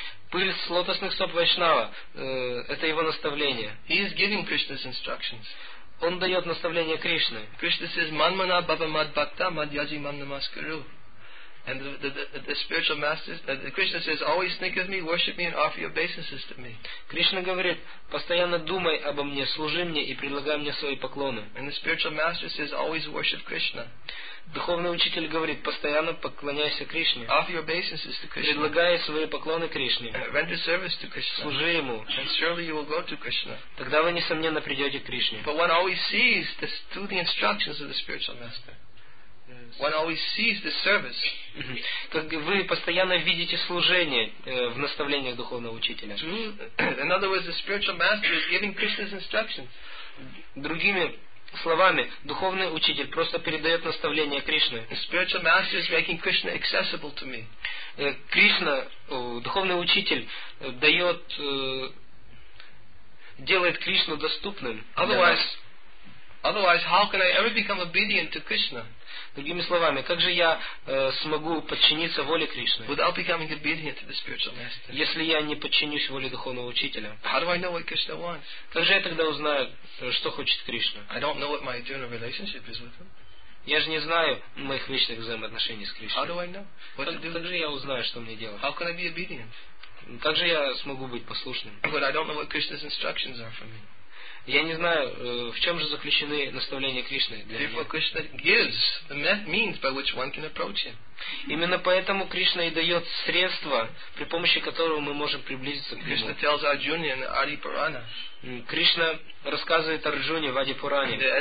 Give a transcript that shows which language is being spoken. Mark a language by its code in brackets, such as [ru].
[ru] Пыль с лотосных стоп Вайшнава это его наставление. [en] He is giving Krishna's instructions. [ru] Он дает наставление Кришне. [en] Krishna says, [sa] Manmana Baba Mad Bhakta Mad Yaji Man Namaskaru. [en] And the spiritual master, Krishna says, always think of me, worship me, and offer your obeisances to me. [ru] Кришна говорит, постоянно думай обо мне, служи мне и предлагай мне свои поклоны. [en] And the spiritual master says, always worship Krishna. [ru] Духовный учитель говорит, постоянно поклоняйся Кришне. [en] Offer your obeisances to Krishna. [ru] Предлагай свои поклоны Кришне. [en] Render service to Krishna. [ru] Служи ему. [en] And surely you will go to Krishna. [ru] Тогда вы несомненно придете к Кришне. [en] But one always sees this through the instructions of the spiritual master. One always sees the service. [ru] Как вы постоянно видите служение в наставлениях духовного учителя. [en] In other words, the spiritual master is giving Krishna's instructions. [ru] Другими словами, духовный учитель просто передает наставление Кришне. [en] The spiritual master is making Krishna accessible to me. [ru] Кришна, духовный учитель, дает, делает Кришну доступным. [en] Otherwise, how can I ever become obedient to Krishna? [ru] Другими словами, как же я смогу подчиниться воле Кришны? [en] Without becoming obedient to the spiritual master. [ru] Если я не подчинюсь воле духовного учителя. [en] How do I know what Krishna wants? [ru] Как же я тогда узнаю, что хочет Кришна? [en] I don't know what my eternal relationship is with him. [ru] Я же не знаю моих вечных взаимоотношений с Кришной. [en] How do I know? What to do? [ru] Как же я узнаю, что мне делать? [en] How can I be obedient? [ru] Как же я смогу быть послушным? [en] But I don't know what Krishna's instructions are for me. [ru] Я не знаю, в чем же заключены наставления Кришны для меня. [en] Therefore, Krishna gives the means by which one can approach him. [ru] Именно поэтому Кришна и дает средства, при помощи которого мы можем приблизиться к Нему. [en] Krishna tells Arjuna in Adi Purana. [ru] Кришна рассказывает Арджуне в Ади Пуране.